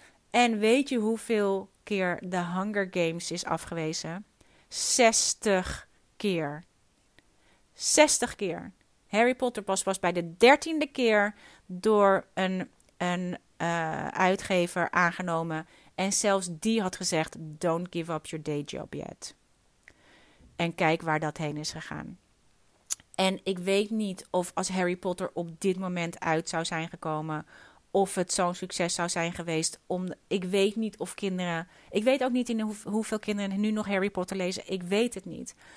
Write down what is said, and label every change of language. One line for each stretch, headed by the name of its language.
Dutch: En weet je hoeveel keer The Hunger Games is afgewezen? 60 keer. 60 keer. Harry Potter was bij de 13e keer door een uitgever aangenomen. En zelfs die had gezegd,
English: don't give up your day job yet.
Dutch: En kijk waar dat heen is gegaan. En ik weet niet of als Harry Potter op dit moment uit zou zijn gekomen, of het zo'n succes zou zijn geweest. Ik weet niet of kinderen. Ik weet ook niet in hoeveel kinderen nu nog Harry Potter lezen. Ik weet het niet.